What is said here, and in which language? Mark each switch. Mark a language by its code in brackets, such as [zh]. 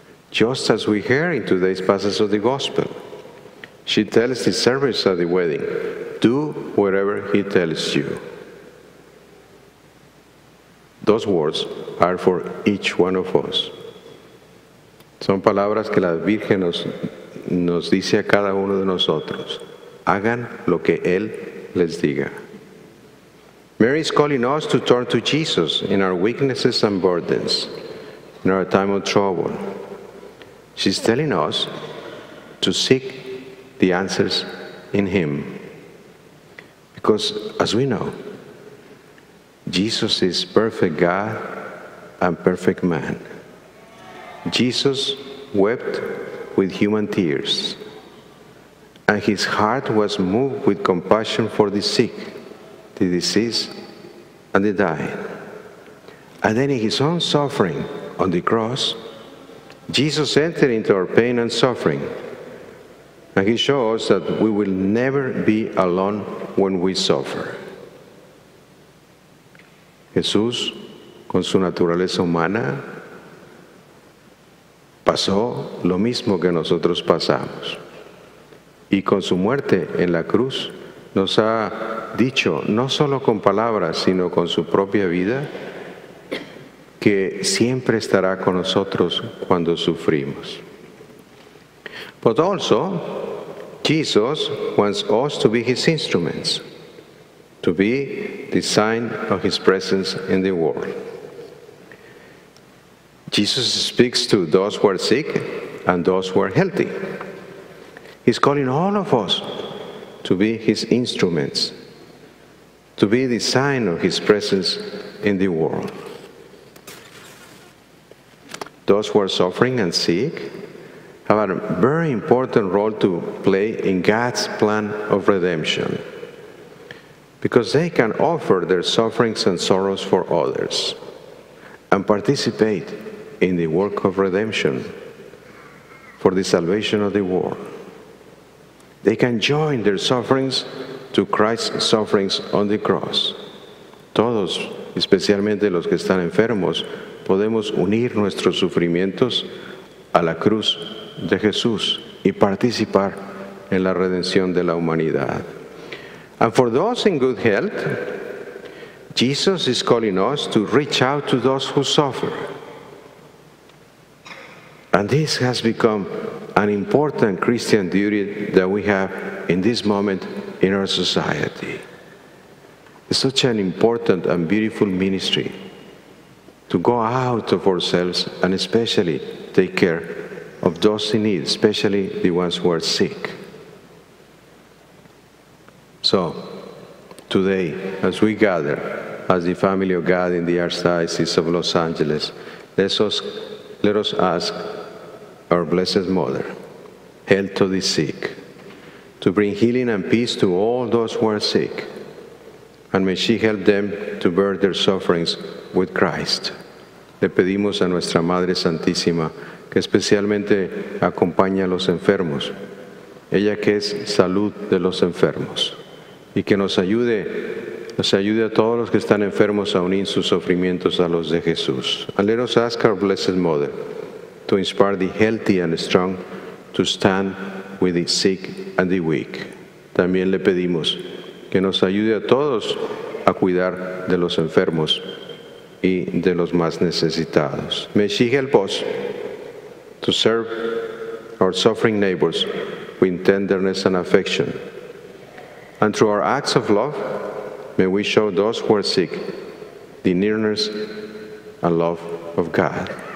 [en] Just as we hear in today's passage of the Gospel, she tells the servants at the wedding, Do whatever he tells you. Those words are for each one of us. [es] Son palabras que la Virgen nos dice a cada uno de nosotros. Hagan lo que él les diga. [en] Mary is calling us to turn to Jesus in our weaknesses and burdens, in our time of trouble. She's telling us to seek the answers in him. Because as we know, Jesus is perfect God and perfect man. Jesus wept with human tears, and his heart was moved with compassion for the sick, the diseased, and the dying. And then in his own suffering on the cross, Jesus entered into our pain and suffering, and he showed us that we will never be alone when we suffer. [es] Jesús, con su naturaleza humana, pasó lo mismo que nosotros pasamos. Y con su muerte en la cruz, nos ha dicho, no solo con palabras, sino con su propia vida, que siempre estará con nosotros cuando sufrimos. [en] But also, Jesus wants us to be his instruments, to be the sign of his presence in the world. Jesus speaks to those who are sick and those who are healthy. He's calling all of us to be his instruments, to be the sign of his presence in the world. Those who are suffering and sick have a very important role to play in God's plan of redemption, because they can offer their sufferings and sorrows for others and participate in the work of redemption for the salvation of the world. They can join their sufferings to Christ's sufferings on the cross. [es] Todos, especialmente los que están enfermos, podemos unir nuestros sufrimientos a la cruz de Jesús y participar en la redención de la humanidad. [en] And for those in good health, Jesus is calling us to reach out to those who suffer. And this has become an important Christian duty that we have in this moment in our society. It's such an important and beautiful ministry to go out of ourselves and especially take care of those in need, especially the ones who are sick. So, today, as we gather as the family of God in the Archdiocese of Los Angeles, let us ask our Blessed Mother, help to the sick, to bring healing and peace to all those who are sick, and may she help them to bear their sufferings with Christ. [es] Le pedimos a nuestra Madre Santísima que especialmente acompañe a los enfermos, ella que es salud de los enfermos, y que nos ayude a todos los que están enfermos a unir sus sufrimientos a los de Jesús. [en] And let us ask our Blessed Mother to inspire the healthy and the strong to stand with the sick and the weak. [es] También le pedimos que nos ayude a todos a cuidar de los enfermos y de los más necesitados. [en] May she help us to serve our suffering neighbors with tenderness and affection. And through our acts of love, may we show those who are sick the nearness and love of God.